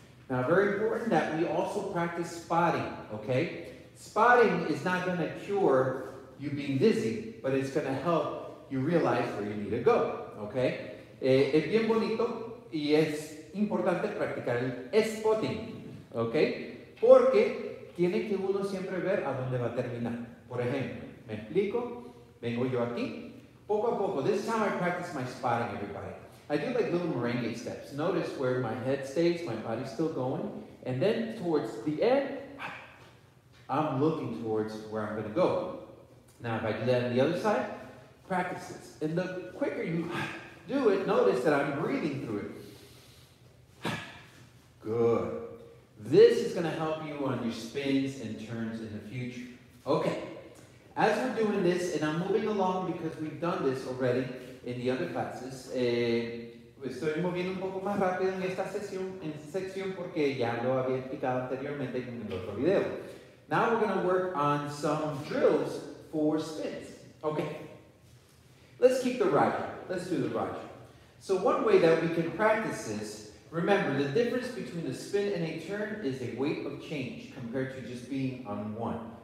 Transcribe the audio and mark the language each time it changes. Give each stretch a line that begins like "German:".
English: Now, very important that we also practice spotting, okay? Spotting is not going to cure you being dizzy, but it's going to help you realize where you need to go, okay?
Spanish: Es bien bonito y es importante practicar el spotting, ¿ok? Porque tiene que uno siempre ver a dónde va a terminar. Por ejemplo, me explico, vengo yo aquí, poco a poco.
English: This is how I practice my spotting, everybody. I do like little merengue steps. Notice where my head stays, my body's still going. And then towards the end, I'm looking towards where I'm going to go. Now, if I do that on the other side, practice this. And the quicker you do it, notice that I'm breathing through it. Good. This is going to help you on your spins and turns in the future. Okay. As we're doing this, and I'm moving along because we've done this already in the other classes.
Spanish: Estoy moviendo un poco más rápido en esta sesión, porque ya lo había explicado anteriormente en el otro video.
English: Now we're going to work on some drills for spins. Okay. Let's keep the Roger. Let's do the Roger. So one way that we can practice this, remember, the difference between a spin and a turn is a weight of change compared to just being on one.